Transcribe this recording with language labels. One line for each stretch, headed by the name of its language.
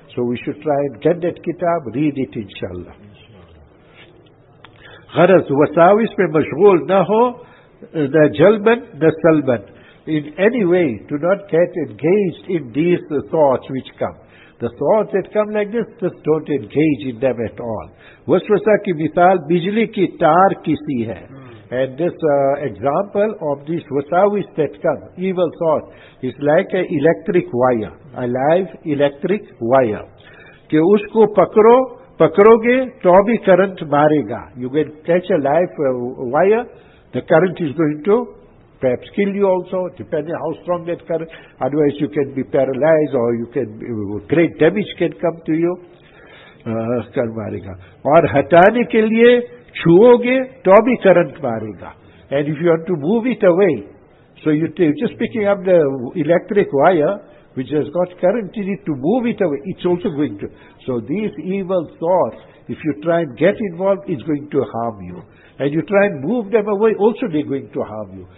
English: So we should try and get that kitab, read it inshallah.
Urdu: غرض وساوس میں مشغول نہ ہو نہ جلبن نہ سلبن
English: in any way do not get engaged in these thoughts which come. The thoughts that come like this, just don't engage in them at all.
Urdu: وسوسہ کی مثال بجلی کی تار کسی ہے.
English: And this example of this wasawis that come, evil thought, is like an electric wire, a live electric wire.
Urdu: کہ اس کو پکڑو پکڑو گے تو بھی کرنٹ مارے گا.
English: You can catch a live wire, the current is going to perhaps kill you also, depending how strong that current, otherwise you can be paralyzed or you can great damage can come to you.
Urdu: کر مارے گا. اور ہٹانے کے لیے چھوو گے تو بھی current مارے گا.
English: And if you want to move it away, so you're just picking up the electric wire, which has got current in it, to move it away, it's also going to. So these evil thoughts, if you try and get involved, it's going to harm you. And you try and move them away, also they're going to harm you.